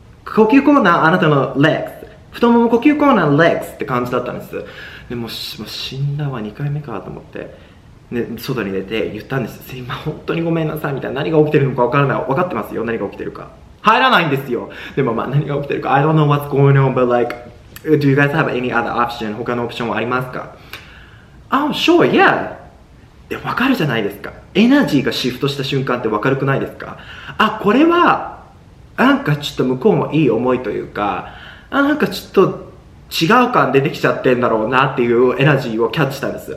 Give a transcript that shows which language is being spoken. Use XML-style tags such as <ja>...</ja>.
<ja>呼吸困難、あなたのレッグス。太もも呼吸困難、レッグスって感じだったんです。でも、もう死んだわ、2回目かと思って。ね、外に出て言ったんです。すいません、本当にごめんなさい、みたいな。何が起きてるのか分からない。分かってますよ、何が起きてるか。入らないんですよ。でもまあ、何が起きてるか。</ja> <en>I don't know what's going on, but like, do you guys have any other option?</en> <ja>他のオプションはありますか？</ja> <en>Oh, sure, yeah.</en> <ja>で、分かるじゃないですか。エナジーがシフトした瞬間って分かるくないですか？あ、これは、なんかちょっと向こうもいい思いというか、あ、なんかちょっと、違う感出てきちゃってんだろうなっていうエナジーをキャッチしたんです。</ja>